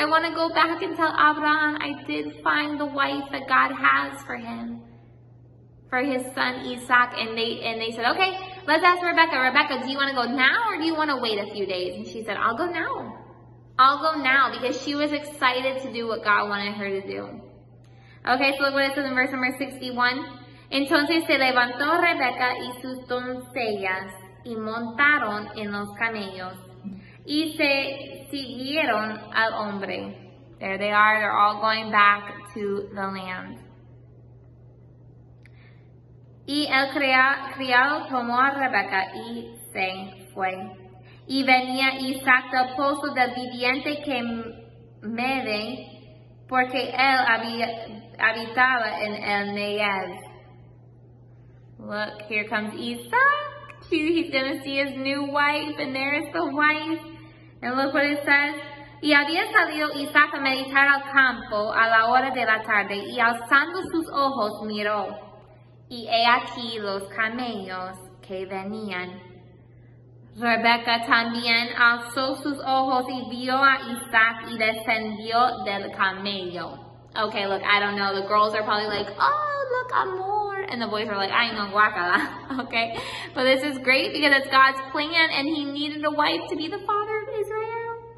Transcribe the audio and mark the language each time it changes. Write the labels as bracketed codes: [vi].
[en] I want to go back and tell Abraham I did find the wife that God has for him, for his son Isaac. And they said, okay, let's ask Rebecca. Rebecca, do you want to go now or do you want to wait a few days? And she said, I'll go now. I'll go now, because she was excited to do what God wanted her to do. Okay, so look what it says in verse number 61. [es] Entonces se levantó Rebeca y sus doncellas y montaron en los camellos y se siguieron al hombre. [en] There they are, they're all going back to the land. [es] Y el criado tomó a Rebeca y se fue. Y venía Isaac del pozo del viviente que mede, porque él habitaba en el Negev. [en] Look, here comes Isaac. He's going to see his new wife, and there is the wife. And look what it says. [es] Y había salido Isaac a meditar al campo a la hora de la tarde, y alzando sus ojos miró, y he aquí los camellos que venían. Rebeca también alzó sus ojos y vio a Isaac y descendió del camello. [en] Okay, look, I don't know. The girls are probably like, oh, look, [es] amor. [en] And the boys are like, [es] ay, no, guacala. [en] Okay, but this is great because it's God's plan and he needed a wife to be the father of Israel.